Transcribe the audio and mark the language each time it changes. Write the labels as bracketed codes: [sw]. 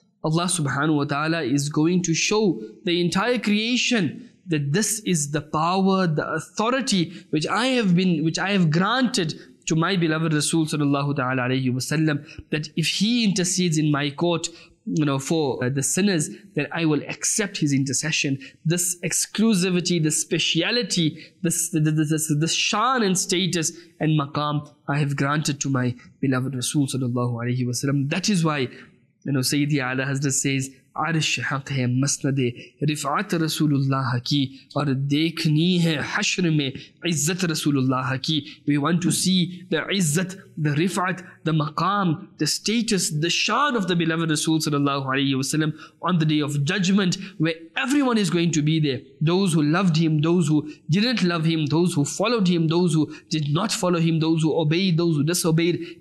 [en] Allah subhanahu wa ta'ala is going to show the entire creation that this is the power, the authority which I have granted to my beloved Rasul sallallahu ta'ala alayhi wa sallam, that if he intercedes in my court, for the sinners, then I will accept his intercession. This exclusivity, this speciality, this shan and status and maqam I have granted to my beloved Rasul sallallahu alayhi wa sallam. That is why, Sayyidi Ala Hazrat says, [ur] عرش حق ہے، مسند رفعت رسول اللہ کی، اور دیکھنی ہے حشر میں عزت رسول اللہ کی. [en] We want to see the عزت, the رفعت, the مقام, the status, the شان of the beloved رسول صلی اللہ علیہ وسلم on the day of judgment, where everyone is going to be there. Those who loved him, those who didn't love him, those who followed him, those who did not follow him, those who obeyed, those who disobeyed.